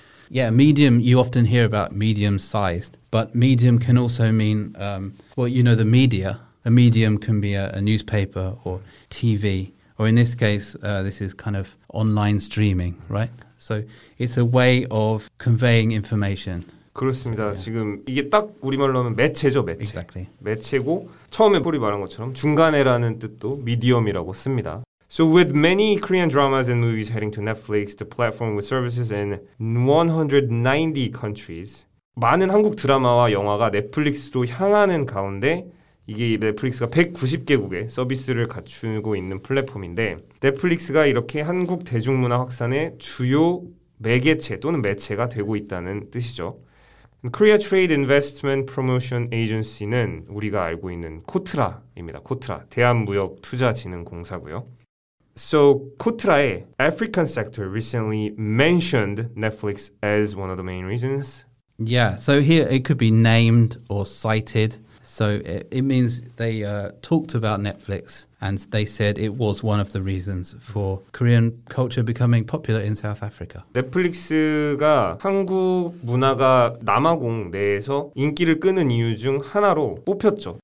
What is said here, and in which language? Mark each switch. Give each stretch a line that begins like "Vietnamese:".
English: Yeah, medium, you often hear about medium-sized, but medium can also mean, you know, the media. A medium can be a newspaper or TV, or in this case, this is kind of online streaming, right? So it's a way of conveying information.
Korean: 그렇습니다. Yeah. 지금 이게 딱 우리말로 하면 매체죠, 매체.
English: Exactly.
Korean: 매체고 처음에 폴이 말한 것처럼 중간에라는 뜻도 medium이라고 씁니다.
English: So with many Korean dramas and movies heading to Netflix, the platform with services in 190 countries,
Korean: 많은 한국 드라마와 영화가 넷플릭스로 향하는 가운데 이게 넷플릭스가 190개국에 서비스를 갖추고 있는 플랫폼인데 넷플릭스가 이렇게 한국 대중문화 확산의 주요 매개체 또는 매체가 되고 있다는 뜻이죠. Korea Trade Investment Promotion Agency는 우리가 알고 있는 코트라입니다. 코트라, 대한무역투자진흥공사고요.
English: So, Kotra의 African sector recently mentioned Netflix as one of the main reasons. Yeah, so here it could be named or cited. So it means they talked about Netflix and they said it was one of the reasons for Korean culture becoming popular in South Africa.
Korean: 넷플릭스가 한국 문화가 남아공 내에서 인기를 끄는 이유 중 하나로 뽑혔죠.